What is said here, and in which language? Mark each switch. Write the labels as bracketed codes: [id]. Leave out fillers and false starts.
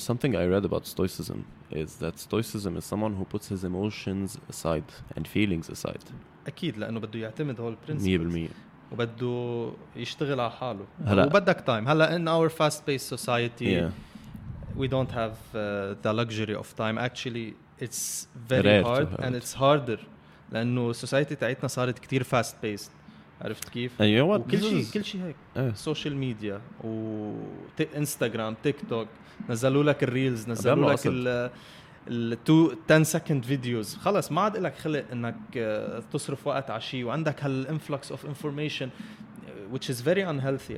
[en] something I read about Stoicism is that Stoicism is someone who puts his emotions aside and feelings aside [ar] أكيد لأنه بده يعتمد هول principles [en] 100% [ar] وبده يشتغل على حاله وبدك [en] time [ar] هلا [en] in our fast-paced society we don't have the luxury of time. Actually, it's very hard and it's harder. [ar] لأنه society تاعتنا صارت كتير [en] fast paced. [ar] عرفت كيف؟ [en] And you know what? [ar] كل شيء هيك. Social media و Instagram, TikTok. نزلوا لك الريلز. نزلوا لك ال [en] 10 second videos. [ar] خلاص ما عاد لك خلق إنك تصرف وقت على شيء. وعندك هال [en] influx of information, which is very unhealthy.